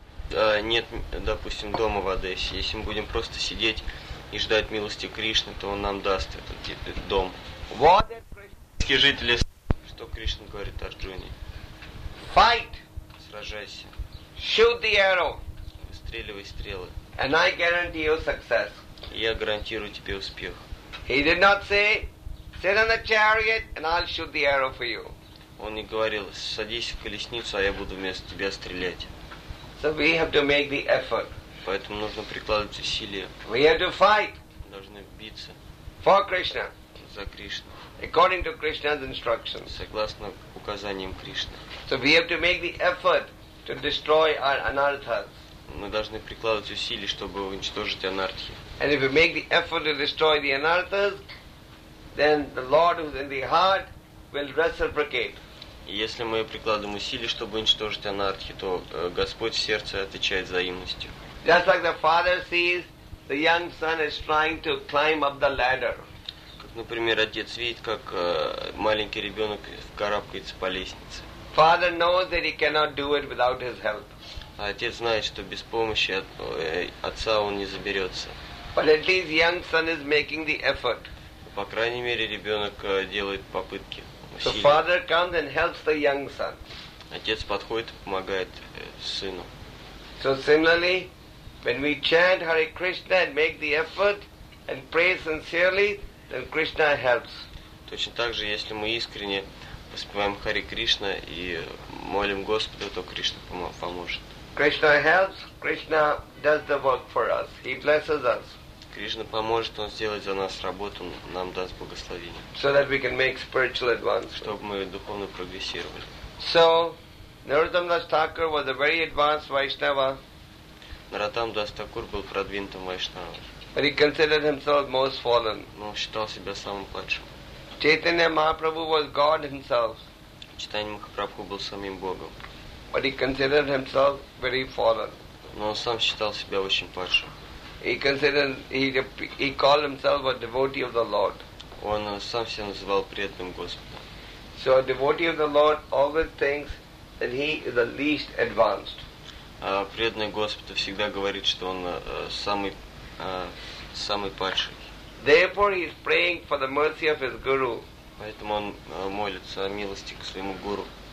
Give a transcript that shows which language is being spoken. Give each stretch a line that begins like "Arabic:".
Russian: нас нет, допустим, дома в Одессе, если мы будем просто сидеть и ждать милости Кришны, то он нам даст этот дом. Вот жители, что Кришна говорит Арджуне.
English: Fight!
Russian: Сражайся.
English: Shoot the arrow!
Russian: Выстреливай стрелы.
English: And I guarantee you success.
Russian: Я гарантирую тебе успех.
English: He did not say, sit on a chariot and I'll shoot the arrow for you.
Russian: Он не говорил, садись в колесницу, а я буду вместо тебя стрелять.
English: So we have to make the effort.
Russian: Поэтому нужно прикладывать усилия.
English: We have to fight.
Russian: Должны биться.
English: For Krishna.
Russian: За Кришну.
English: According to Krishna's instructions.
Russian: Согласно указаниям Кришны.
English: So we have to make the effort to destroy our anarthas.
Russian: Мы должны прикладывать усилия, чтобы уничтожить анархи.
English: And if we make the effort to destroy the anarthas, then the Lord who's in the heart will reciprocate.
Russian: Если мы прикладываем усилия, чтобы уничтожить анархи, то Господь в сердце отвечает взаимностью.
English: Just like the father sees the young son is trying to climb up the ladder.
Russian: Например, отец видит, как маленький ребенок карабкается по лестнице.
English: Father knows that he cannot do it without his help.
Russian: А отец знает, что без помощи отца он не заберется.
English: But at least young son is making the effort.
Russian: По крайней мере, ребенок делает попытки.
English: So father comes and helps the young son.
Russian: Отец подходит и помогает сыну.
English: So similarly, when we chant Hare Krishna and make the effort and pray sincerely, then Krishna helps.
Russian: Точно так же, если мы искренне воспеваем Хари Кришна и молим Господа, то Кришна поможет.
English: Krishna helps, Krishna does the work for us. He blesses us.
Russian: Кришна поможет, Он сделает за нас работу, нам даст благословение.
English: So that we can make spiritual advance.
Russian: Чтобы мы духовно прогрессировали.
English: So, Narottam Das Thakur was a very advanced Vaishnava.
Russian: Narottam Das Thakur был продвинутым Вайшнава.
English: But he considered himself most fallen.
Russian: Но считал себя самым падшим.
English: Chaitanya Mahaprabhu was God himself.
Russian: Чайтанья Махапрабху был самим Богом.
English: But he considered himself very fallen.
Russian: Но он сам считал себя очень падшим.
English: He called himself a devotee of the Lord.
Russian: Он сам себя называл преданным Господа.
English: So a devotee of the Lord always thinks that he is the least advanced.
Russian: Преданный Господа всегда говорит, что он самый падший.
English: Therefore he is praying for the mercy of his guru.
Russian: Поэтому он молится о милости к своему гуру.